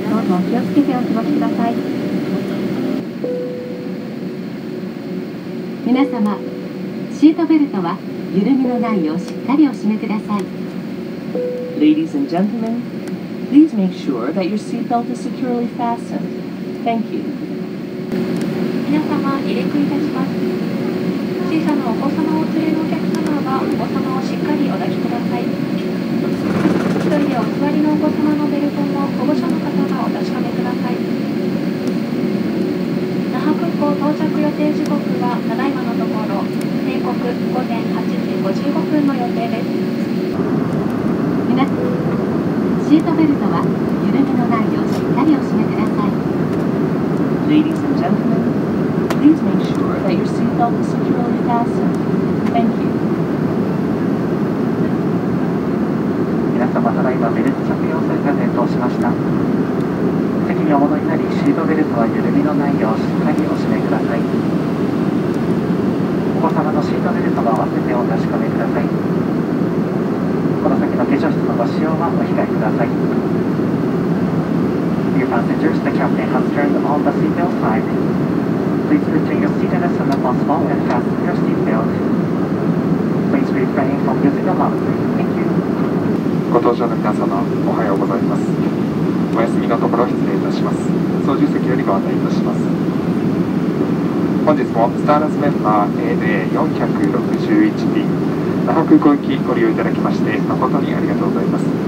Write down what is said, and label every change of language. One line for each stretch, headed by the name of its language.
Japanese: 気をつけてお過ごしください。皆様、シートベルトは緩みのないようしっかりお締めください。
English: Ladies and gentlemen, please make sure that your seatbelt is securely fastened. Thank you.
Japanese: 皆様、離陸いたします。小さなお子様をお連れのお客様はお子様をしっかりお抱きください。一人でお座りのお子様のベルトも保護者の方がお確かめください。那覇空港到着予定時刻はただいまのところ定刻午前8時55分の予定です。皆さん、シートベルトは緩みのないようしっかりお締めください。
English: Ladies and gentlemen, please make sure that your seatbelt is securely fastened. Thank you.
Japanese: ただいまベルト着用するか点灯しました。席にお戻りになり、シートベルトは緩みのないようしっかりお締めください。お子様のシートベルトも合わせてお確かめください。この先の化粧室のご使用はお控えください。
English: Dear passengers, the captain has turned on the seatbelt sign. Please retain your seat as soon as possible and fasten your seatbelt. Please refrain from using the lavatory. Thank you.
Japanese: ご搭乗の皆様、おはようございます。お休みのところ失礼いたします。操縦席よりご案内いたします。本日もスターラスメンバー ANA461B 那覇空港行きご利用いただきまして誠にありがとうございます。